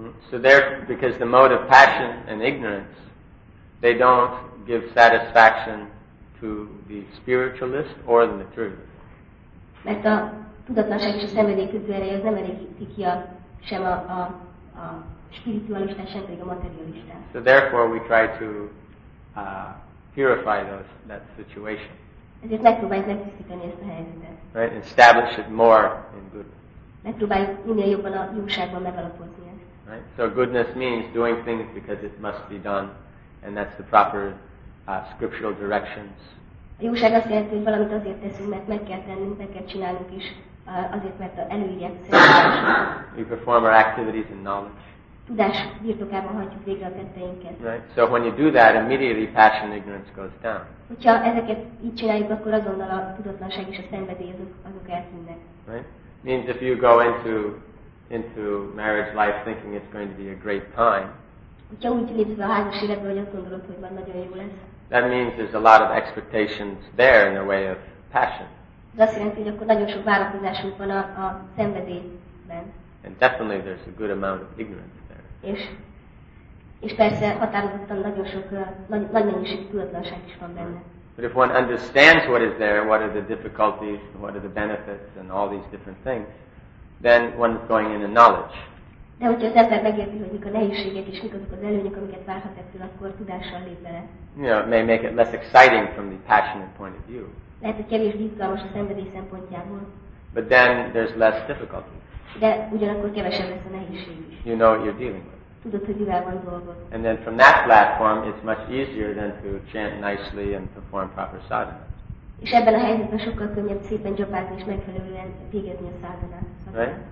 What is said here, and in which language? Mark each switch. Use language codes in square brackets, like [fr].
[en] So there, because the mode of passion and ignorance, they don't give satisfaction to the spiritualist or the materialist. [hu] Mert a tudatlanság és a szenvedély közvérej az nem elégíti ki sem a spiritualistát, sem pedig a materialistát. [en] So therefore we try to purify that situation. [hu] Ezért megpróbáljuk megtisztítani ezt a helyzetet. [en] Right, establish it more in goodness. [hu] Megpróbáljuk minél jobban a jóságban megalapozni ezt. [en] Right, so goodness means doing things because it must be done, and that's the proper scriptural directions. [hu] A jóság azt jelenti, hogy valamit azért teszünk, mert meg kell tennünk, meg kell csinálnunk is, azért, mert a előírják szerint. [en] We perform our activities in knowledge. [hu] Tudás birtokában hagyjuk végre a tetteinket. [en] Right. So when you do that, immediately passion and ignorance goes down. [hu] Hogyha ezeket így csináljuk, akkor azonnal a tudatlanság és a szenvedély azok eltűnnek. [en] Right. Means if you go into marriage life thinking it's going to be a great time. [hu] Hogyha úgy lépsz a házas életbe, hogy azt gondolod, hogy már nagyon jó lesz. [en] That means there's a lot of expectations there in the way of passion. [hu] Ez azt jelenti, hogy akkor nagyon sok várakozásunk van a szenvedélyben. [en] And definitely there's a good amount of ignorance there. [hu] És persze határozottan nagyon sok nagy mennyiség tudatlanság is van benne. [en] But if one understands what is there, what are the difficulties, what are the benefits, and all these different things, then one's going in a knowledge. [hu] De hogyha az ember megérti, hogy mik a nehézségek és mik azok az előnyök, amiket várhat ettől, akkor tudással lép bele. [en] You know, it may make it less exciting from the passionate point of view. [hu] Lehet, hogy kevésbé izgalmas a szenvedély szempontjából. [en] But then there's less difficulty. [hu] De ugyanakkor kevesebb lesz a nehézség is. [en] You know what you're dealing with. [hu] Tudod, hogy mivel van dolgod. [en] And then from that platform, it's much easier than to chant nicely and perform proper sadhana. [hu] És ebben a helyzetben sokkal könnyebb szépen japálni és megfelelően végezni a sadhana.